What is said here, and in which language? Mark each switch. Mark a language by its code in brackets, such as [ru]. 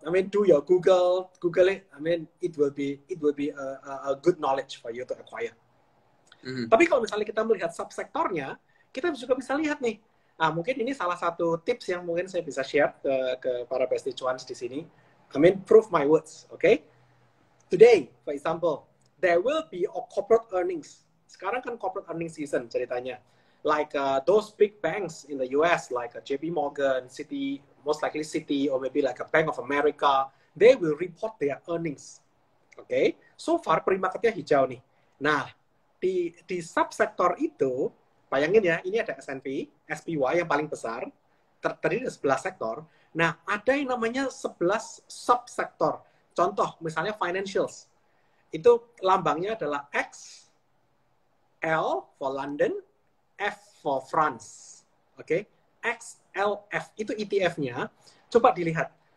[en] Do your Google it. I mean, it will be a good knowledge for you to acquire. [id] Tapi kalau misalnya kita melihat subsektornya, kita juga bisa lihat nih. Nah, mungkin ini salah satu tips yang mungkin saya bisa share ke para besti cuans di sini. [en] I mean, prove my words, okay? Today, for example, there will be a corporate earnings. [id] Sekarang kan corporate earnings season ceritanya. [en] Like those big banks in the US, like JP Morgan, Citi, most likely Citi, or maybe like a Bank of America, they will report their earnings, okay? So far, [id] pre-marketnya hijau nih. Nah, di subsektor itu, bayangin ya, ini ada S&P, SPY yang paling besar, terdiri dari 11 sektor. Nah, ada yang namanya 11 subsektor. Contoh, misalnya financials. Itu lambangnya adalah X, L for London, F for France. Oke, okay? XLF, itu ETF-nya. Coba dilihat,